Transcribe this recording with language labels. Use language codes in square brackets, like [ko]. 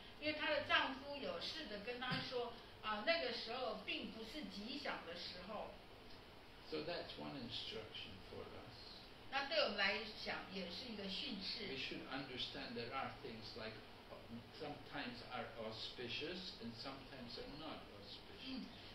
[zh] 因为她的丈夫有事地跟她说，那个时候并不是吉祥的时候。 [en] So that's one instruction for us. [zh] 那对我们来讲也是一个训示。 [en] We should understand there are things like sometimes are auspicious and sometimes are not auspicious.